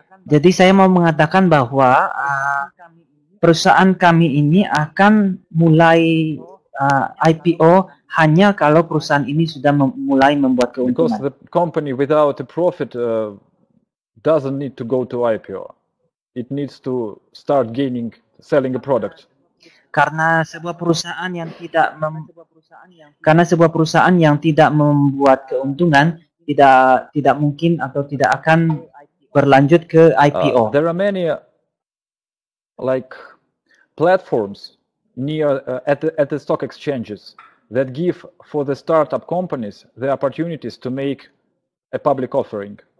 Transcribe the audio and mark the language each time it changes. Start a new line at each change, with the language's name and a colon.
Indonesian: Jadi saya mau mengatakan bahwa perusahaan kami ini akan mulai IPO hanya kalau perusahaan ini sudah mulai membuat keuntungan.
English: Because the company without a profit doesn't need to go to IPO. It needs to start gaining, selling a product.
Indonesian: Karena sebuah perusahaan yang tidak karena sebuah perusahaan yang tidak membuat keuntungan tidak mungkin atau tidak akan berlanjut ke IPO.
English: There are many like platforms near at the stock exchanges that give for the startup companies the opportunities to make a public offering.